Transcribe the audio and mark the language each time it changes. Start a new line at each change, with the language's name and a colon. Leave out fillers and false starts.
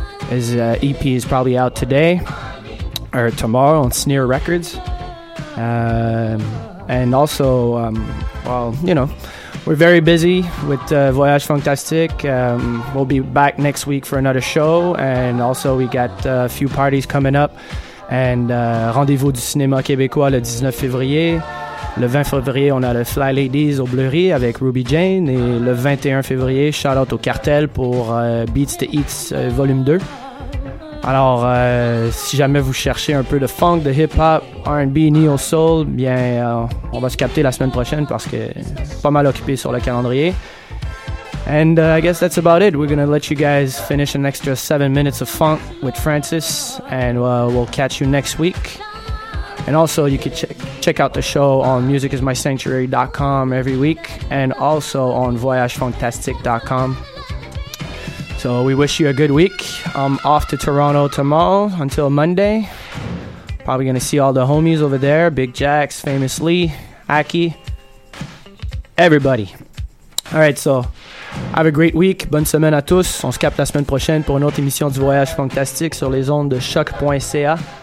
English: His EP is probably out today or tomorrow on Sneer Records. And also, well, you know, we're very busy with Voyage Fantastique. We'll be back next week for another show. And also, we got a few parties coming up.
French: And Rendez-vous du cinéma québécois le 19 février. Le 20 février, on a le Fly Ladies au Blurry avec Ruby Jane. Et le 21 février,
English: shout out
French: au Cartel pour Beats to Eats Volume 2. Alors, si jamais vous cherchez un peu de funk, de hip-hop, R&B, neo-soul, bien, on va se capter la semaine prochaine parce que pas mal occupé sur le calendrier.
English: And I guess that's about it. We're gonna let you guys finish an extra 7 minutes of funk with Francis, and we'll catch you next week. And also, you can check out the show on musicismysanctuary.com every week, and also on voyagefantastique.com. So we wish you a good week. I'm off to Toronto tomorrow until Monday. Probably going to see all the homies over there. Big Jax, Famous Lee, Aki, everybody. All right, so have a great week.
French: Bonne semaine à tous. On se capte la semaine prochaine pour une autre émission du Voyage Fantastique sur les ondes de choc.ca.